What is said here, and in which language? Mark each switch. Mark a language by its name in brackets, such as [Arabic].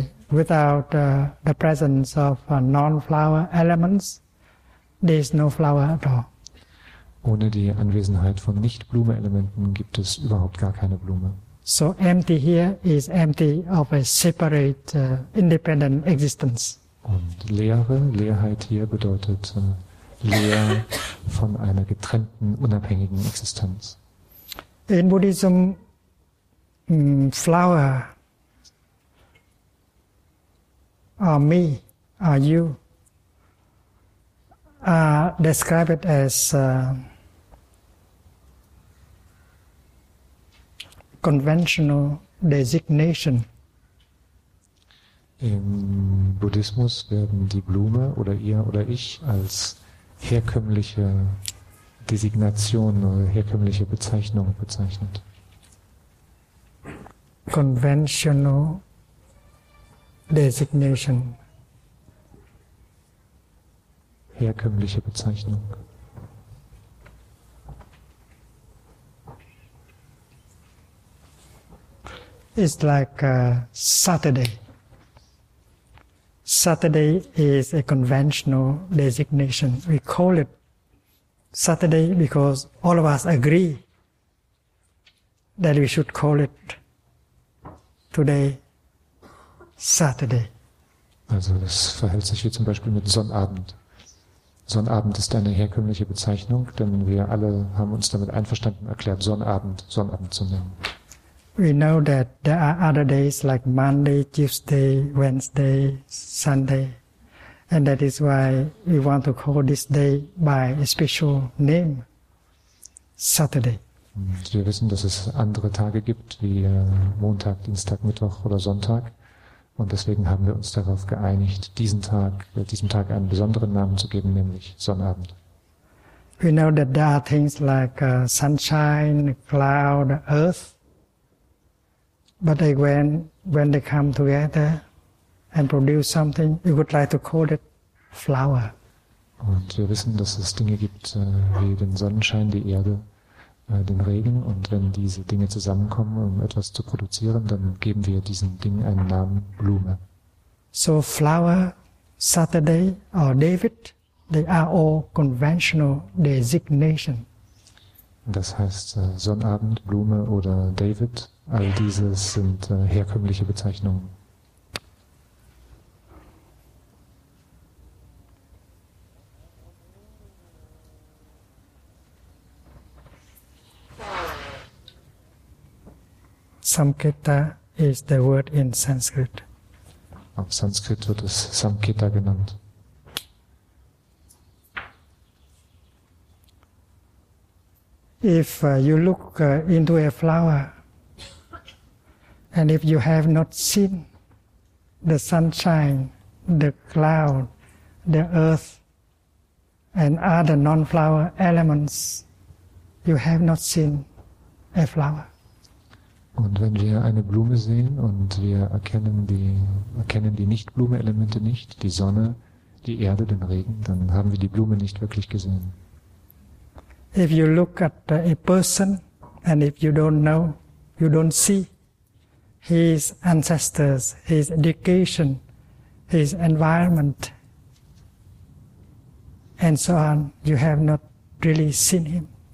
[English] Without the presence of non-flower elements, there is no flower at all. [German] Ohne die Anwesenheit von Nicht-Blume-Elementen gibt es überhaupt gar keine Blume. [English] So empty here is empty of a separate, independent existence. [German] Und Leerheit hier bedeutet leer von einer getrennten, unabhängigen Existenz. [English] In Buddhism, flower or me or you describe it as conventional designation. [German] Im Buddhismus werden die Blume oder ihr oder ich als herkömmliche Designation oder herkömmliche Bezeichnung bezeichnet. [English] Conventional Designation. [German] Herkömmliche Bezeichnung. [English] It's like Saturday. Saturday is a conventional designation. We call it Saturday because all of us agree that we should call it today Saturday. [German] Also das verhält sich wie zum Beispiel mit Sonnabend. Sonnabend ist eine herkömmliche Bezeichnung, denn wir alle haben uns damit einverstanden erklärt, Sonnabend, Sonnabend zu nennen. [English] We know that there are other days like Monday, Tuesday, Wednesday, Sunday, and that is why we want to call this day by a special name, Saturday. [German] Und wir wissen, dass es andere Tage gibt, wie Montag, Dienstag, Mittwoch oder Sonntag. Und deswegen haben wir uns darauf geeinigt, diesem Tag einen besonderen Namen zu geben, nämlich Sonnabend. [English] We know that there are things like sunshine, cloud, earth. But they, when they come together and produce something, we would like to call it flower. [German] Und wir wissen, dass es Dinge gibt wie den Sonnenschein, die Erde, den Regen. Und wenn diese Dinge zusammenkommen, um etwas zu produzieren, dann geben wir diesen Dingen einen Namen, Blume. [English] So flower, Saturday or David, they are all conventional designations. [German] Das heißt Sonnabend, Blume oder David. All diese sind herkömmliche Bezeichnungen. [English] Samkhita is the word in Sanskrit. [German] Auf Sanskrit wird es Samkhita genannt. [English] If you look into a flower, and if you have not seen the sunshine, the cloud, the earth, and other non-flower elements, you have not seen a flower. [German] Und wenn wir eine Blume sehen und wir erkennen die Nicht-Blume-Elemente nicht, die Sonne, die Erde, den Regen, dann haben wir die Blume nicht wirklich gesehen. [English] If you look at a person and if you don't know, you don't see his ancestors, his education, his environment, and so on, you have not really seen him.